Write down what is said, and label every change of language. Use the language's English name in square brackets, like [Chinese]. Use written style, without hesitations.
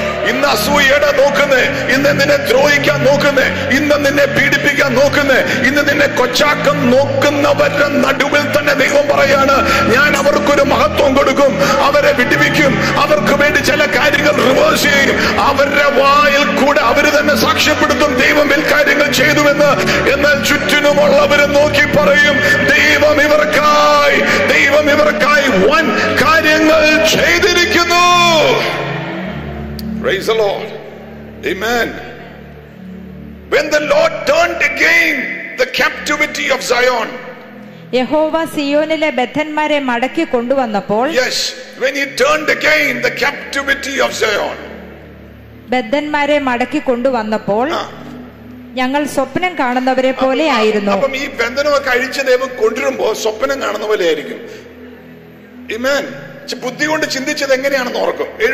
[Malayalam] ഇന്ന് അസൂയയുടെ നോക്കുന്നേ, ഇന്ന് നിന്നെ ദ്രോഹിക്കാൻ നോക്കുന്നേ, ഇന്ന് നിന്നെ പീഡിപ്പിക്കാൻ നോക്കുന്നേ, ഇന്ന് നിന്നെ കൊച്ചാക്കം നോക്കുന്നവരുടെ നടുവിൽ തന്നെ ദൈവം പറയാണ്, ഞാൻ അവർക്കൊരു മഹത്വം കൊടുക്കും, അവരെ വിടിപ്പിക്കും, അവർക്ക് വേണ്ടി ചില കാര്യങ്ങൾ റിവേഴ്സ് ചെയ്യും, അവരുടെ വായിൽ കൂടെ അവർ തന്നെ സാക്ഷ്യപ്പെടുത്തും ദൈവം ഈ കാര്യങ്ങൾ ചെയ്തുവെന്ന്. എന്നാൽ ചുറ്റിനുമുള്ളവർ നോക്കി പറയും ദൈവം ഇവർക്കായി, ദൈവം ഇവർക്കായി വൻ കാര്യങ്ങൾ ചെയ്തിരിക്കുന്നു. [English] Praise the Lord. Amen. When the Lord turned again the captivity of Zion. [Malayalam] യഹോവ സിയോനിലെ ബദ്ധന്മാരെ മടക്കി കൊണ്ടുവന്നപ്പോൾ. [English] Yes, when he turned again the captivity of Zion. [Malayalam] ബദ്ധന്മാരെ മടക്കി കൊണ്ടുവന്നപ്പോൾ ഞങ്ങൾ സ്വപ്നം കാണുന്നവരെ പോലെ ആയിരുന്നു. അപ്പോൾ ഈ ബന്ധനം കഴിച്ച ദൈവം കൊണ്ടുവരുമ്പോൾ സ്വപ്നം കാണുന്ന പോലെ ആയിരിക്കും. Amen. ബുദ്ധി കൊണ്ട് ചിന്തിച്ചത് എങ്ങനെയാണെന്ന് ഓർക്കും.